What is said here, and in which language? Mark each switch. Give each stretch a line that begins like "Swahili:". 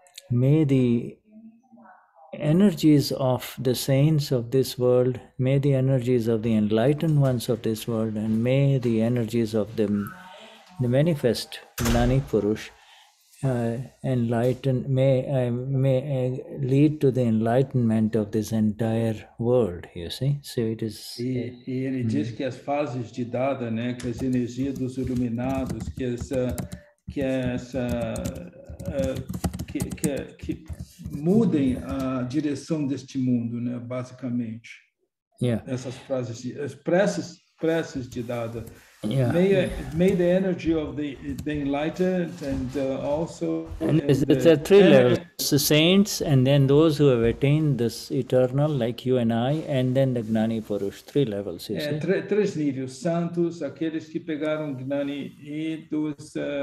English: May the energies of the saints of this world, may the energies of the enlightened ones of this world, and may the energies of the manifest Gnani Purush enlighten, may lead to the enlightenment of this entire world, you see? So it is.
Portuguese: E ele diz que as fases de Dada, né, que as energias dos iluminados, que mudem a direção deste mundo, né, basicamente.
English: Yeah.
Portuguese: Essas frases, as preces de Dada.
English: Yeah. May the energy of the enlightened and also... And it's at three levels, the saints, and then those who have attained this eternal, like you and I, and then the Gnani Purush, three levels, you see.
Portuguese: Três níveis, santos, aqueles que pegaram Gnani e dos...